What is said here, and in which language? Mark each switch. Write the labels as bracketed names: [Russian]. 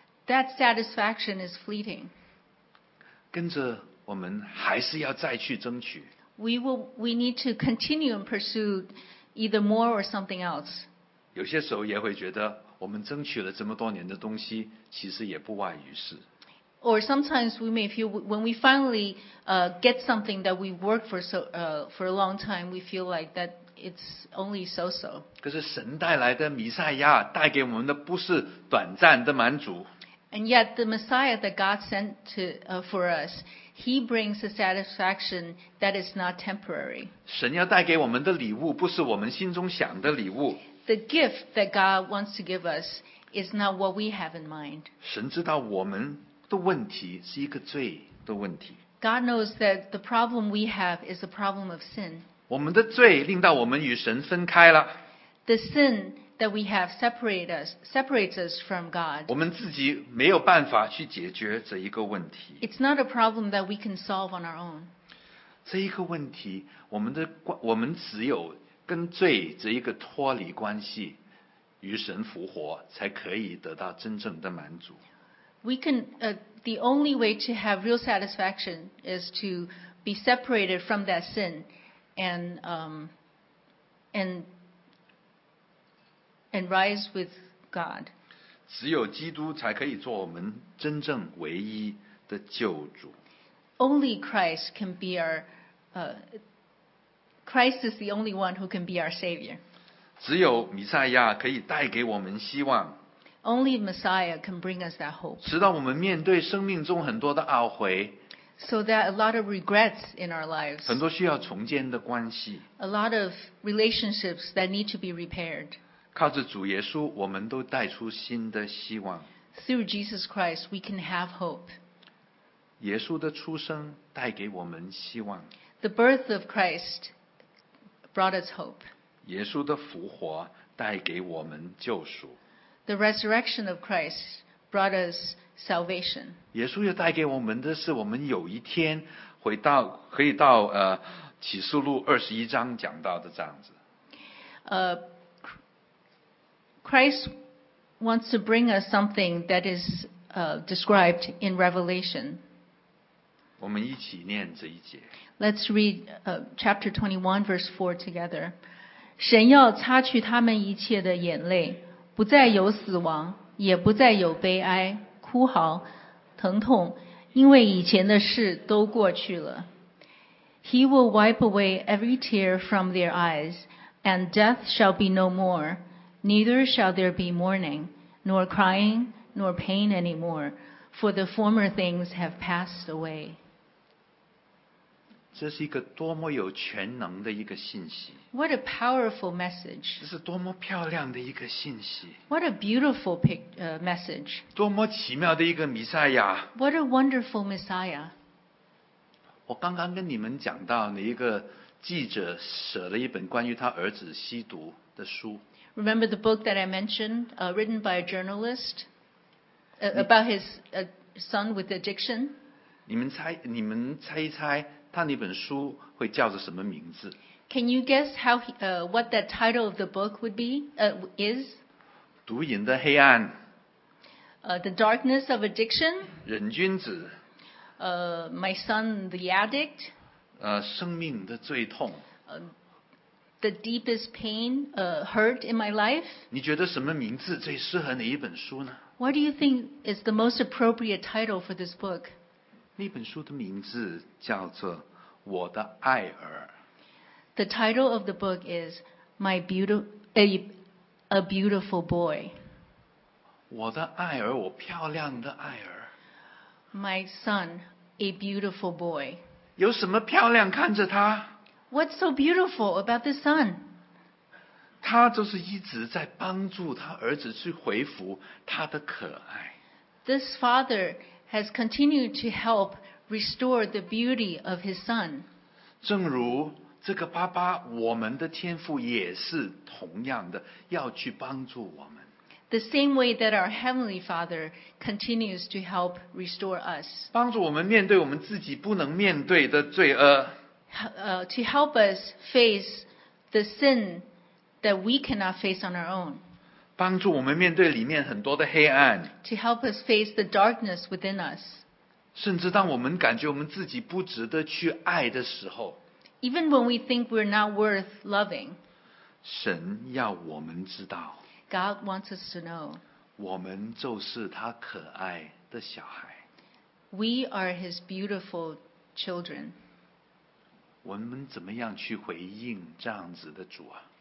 [English] That satisfaction is fleeting. [Chinese] 跟着我们还是要再去争取。 [English] We need to continue and pursue either more or something else. [Chinese] 有些时候也会觉得，我们争取了这么多年的东西，其实也不外于是。 [English] Or sometimes we may feel when we finally get something that we worked for for a long time, we feel like that it's only so-so. [Chinese] 可是神带来的弥赛亚带给我们的不是短暂的满足。 [English] And yet the Messiah that God sent to for us, He brings a satisfaction that is not temporary. [Chinese] 神要带给我们的礼物不是我们心中想的礼物。 [English] The gift that God wants to give us is not what we have in mind. [Chinese] 神知道我们。的问题是一个罪的问题。 [English] God knows that the problem we have is a problem of sin. [Chinese] 我们的罪令到我们与神分开了。 [English] The sin that we have separates us from God. [Chinese] 我们自己没有办法去解决这一个问题。 [English] It's not a problem that we can solve on our own. [Chinese] 这一个问题，我们只有跟罪这一个脱离关系，与神复活，才可以得到真正的满足。 [English] We can, the only way to have real satisfaction is to be separated from that sin and rise with God. [Chinese] 只有基督才可以做我们真正唯一的救主。 [English] Only Christ can be our, Christ is the only one who can be our Savior. [Chinese] 只有弥赛亚可以带给我们希望。 [English] Only Messiah can bring us that hope. [Chinese] 直到我们面对生命中很多的懊悔 [English] ，so that a lot of regrets in our lives. [Chinese] 很多需要重建的关系 [English] ，a lot of relationships that need to be repaired. [Chinese] 靠着主耶稣，我们都带出新的希望 [English] Through Jesus Christ, we can have hope. [Chinese] 耶稣的出生带给我们希望 [English] The birth of Christ brought us hope. [Chinese] 耶稣的复活带给我们救赎。 [English] The resurrection of Christ brought us salvation. [Chinese] 耶稣又带给我们的是，我们有一天回到可以到启示录二十一章讲到的这样子。 [English] Christ wants to bring us something that is described in Revelation. [Chinese] 我们一起念这一节。 [English] Let's read chapter 21 verse 4 together. [Chinese] 神要擦去他们一切的眼泪。不再有死亡，也不再有悲哀、哭嚎、疼痛，因为以前的事都过去了。 [English] He will wipe away every tear from their eyes, and death shall be no more. Neither shall there be mourning, nor crying, nor pain anymore, for the former things have passed away. [Chinese] 这是一个多么有全能的一个信息。 [English] What a powerful message. [Chinese] 这是多么漂亮的一个信息。 [English] What a beautiful message. [Chinese] 多么奇妙的一个弥赛亚。 [English] What a wonderful Messiah. [Chinese] 我刚刚跟你们讲到那一个记者写了一本关于他儿子吸毒的书。 [English] Remember the book that I mentioned, written by a journalist, about his son with addiction? [Chinese] 你们猜一猜他那本书会叫做什么名字？ [English] Can you guess how what that title of the book would be? Is [Chinese] 毒瘾的黑暗。 [English] The darkness of addiction. [Chinese] 瘾君子。 [English] My son, the addict. [Chinese] 生命的最痛。 [English] The deepest pain, hurt in my life. [Chinese] 你觉得什么名字最适合哪一本书呢 [English] ？What do you think is the most appropriate title for this book? [Chinese] 那本书的名字叫做《我的爱儿》。 [English] The title of the book is My Beautiful, a Beautiful Boy. [Chinese] 我的爱儿，我漂亮的爱儿。 [English] My son, a beautiful boy. [Chinese] 有什么漂亮看着他 [English] ？What's so beautiful about this son? [Chinese] 他就是一直在帮助他儿子去回复他的可爱。 [English] This father has continued to help restore the beauty of his son. [Chinese] 正如这个爸爸，我们的天父也是同样的，要去帮助我们。 [English] The same way that our Heavenly Father continues to help restore us. [Chinese] 帮助我们面对我们自己不能面对的罪恶。 [English] To help us face the sin that we cannot face on our own. [Chinese] 帮助我们面对里面很多的黑暗。 [English] To help us face the darkness within us. [Chinese] 甚至当我们感觉我们自己不值得去爱的时候。 [English] Even when we think we're not worth loving. [Chinese] 神要我们知道。 [English] God wants us to know. [Chinese] 我们就是他可爱的小孩。 [English] We are his beautiful children. [Chinese] 我们怎么样去回应这样子的主啊？